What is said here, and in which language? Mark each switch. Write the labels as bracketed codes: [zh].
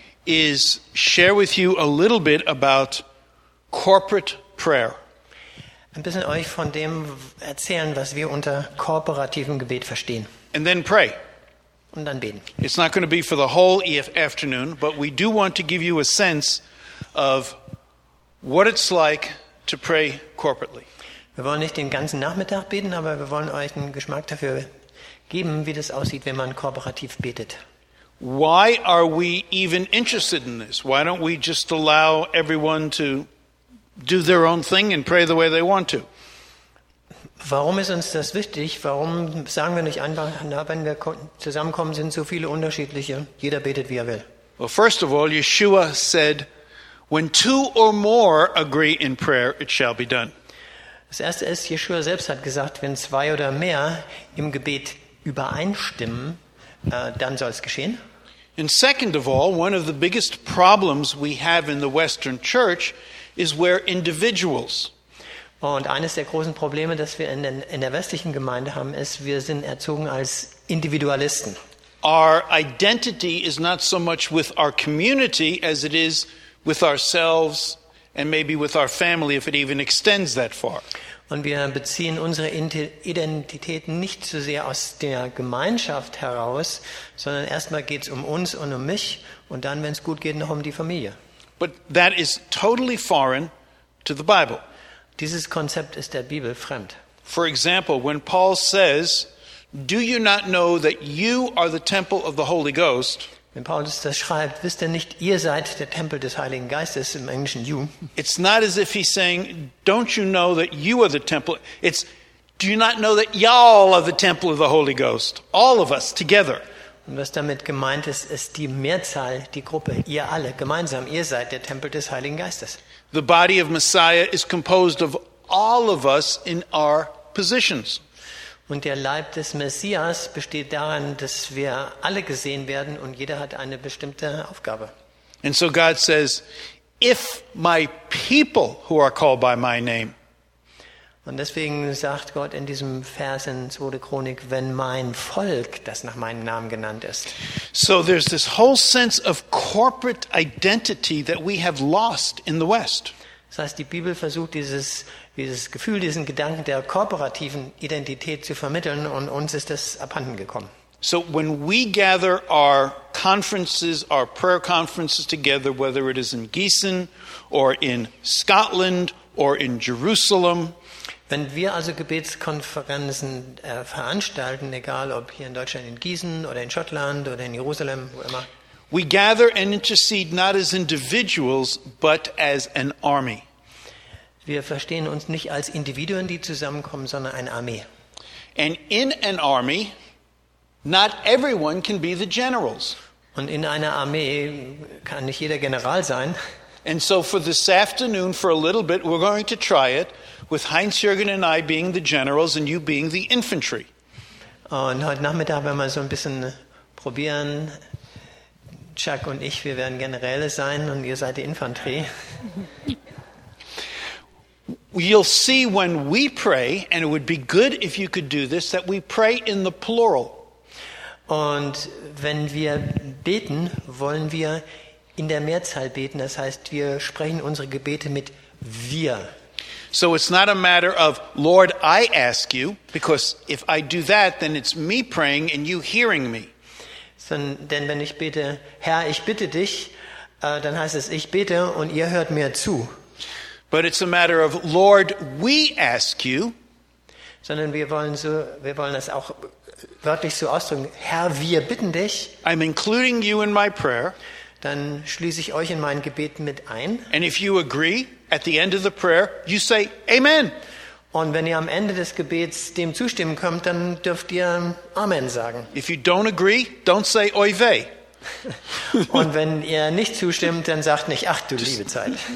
[en] is share with you a little bit about corporate prayer. [de] Ein bisschen euch von dem erzählen, was wir unter kooperativem Gebet verstehen. [en] And then pray. [de] Und dann beten. [en] It's not going to be for the whole afternoon, but we do want to give you a sense of what it's like to pray corporately. [de] Wir wollen nicht den ganzen Nachmittag beten, aber wir wollen euch einen Geschmack dafür geben, wie das aussieht, wenn man kooperativ betet. [en] Why are we even interested in this? Why don't we just allow everyone to do their own thing and pray the way they want to? [de] Warum ist uns das wichtig? Warum sagen wir nicht einfach, na, wenn wir zusammenkommen, sind so viele unterschiedliche, jeder betet, wie er will? [en] Well, first of all, Yeshua said, when two or more agree in prayer, it shall be done. [de] Das erste ist, Yeshua selbst hat gesagt, wenn zwei oder mehr im Gebet übereinstimmen, dann soll es geschehen. [en] And second of all, one of the biggest problems we have in the Western Church is where individuals. [de] Und eines der großen Probleme, das wir in der westlichen Gemeinde haben, ist, wir sind erzogen als Individualisten. [en] Our identity is not so much with our community as it is with ourselves and maybe with our family, if it even extends that far. [de] Und wir beziehen unsere Identität nicht so sehr aus der Gemeinschaft heraus, sondern erstmal geht's um uns und um mich und dann, wenn es gut geht, noch um die Familie. [en] But that is totally foreign to the Bible. [de] Dieses Konzept ist der Bibel fremd. [en] For example, when Paul says, "Do you not know that you are the temple of the Holy Ghost?" [de] Wenn Paulus das schreibt, wisst ihr nicht, ihr seid der Tempel des Heiligen Geistes, im Englischen you. [en] It's not as if he's saying, "Don't you know that you are the temple?" It's, "Do you not know that y'all are the temple of the Holy Ghost? All of us together." [de] Und was damit gemeint ist, ist die Mehrzahl, die Gruppe, ihr alle gemeinsam, ihr seid der Tempel des Heiligen Geistes. [en] The body of Messiah is composed of all of us in our positions. [de] Und der Leib des Messias besteht darin, dass wir alle gesehen werden und jeder hat eine bestimmte Aufgabe. [en] And so God says, if my people who are called by my name. [de] Und deswegen sagt Gott in diesem Vers in 2. Chronik, wenn mein Volk, das nach meinem Namen genannt ist. [en] So there's this whole sense of corporate identity that we have lost in the West. [de] Das heißt, die Bibel versucht dieses Gefühl, diesen Gedanken der kooperativen Identität zu vermitteln und uns ist das abhanden gekommen. [en] So when we gather our conferences, our prayer conferences together, whether it is in Gießen or in Scotland or in Jerusalem. [de] Wenn wir also Gebetskonferenzen veranstalten, egal ob hier in Deutschland in Gießen oder in Schottland oder in Jerusalem, wo immer. [en] We gather and intercede not as individuals, but as an army. [de] Wir verstehen uns nicht als Individuen, die zusammenkommen, sondern eine Armee. [en] And in an army, not everyone can be the generals. [de] Und in einer Armee kann nicht jeder General sein. [en] And so for this afternoon, for a little bit, we're going to try it. With Heinz-Jürgen and I being the generals and you being the infantry. [de] Und heute Nachmittag werden wir so ein bisschen probieren. Chuck und ich, wir werden Generäle sein und ihr seid die Infanterie. [en] You'll see when we pray, and it would be good if you could do this, that we pray in the plural. [de] Und wenn wir beten, wollen wir in der Mehrzahl beten. Das heißt, wir sprechen unsere Gebete mit wir. [en] So it's not a matter of, Lord, I ask you, because if I do that, then it's me praying and you hearing me. [de] Denn wenn ich bete, Herr, ich bitte dich, dann heißt es, ich bete und ihr hört mir zu. [en] But it's a matter of, Lord, we ask you. [de] Sondern wir wollen das auch wörtlich so ausdrücken, Herr, wir bitten dich. [en] I'm including you in my prayer. [de] Dann schließe ich euch in mein Gebet mit ein. [en] And if you agree, at the end of the prayer, you say amen. [de] Und wenn ihr am Ende des Gebets dem zustimmen könnt, dann dürft ihr amen sagen. [en] If you don't agree, don't say oy vey. [de] Und wenn ihr nicht zustimmt, dann sagt nicht ach du liebe Zeit.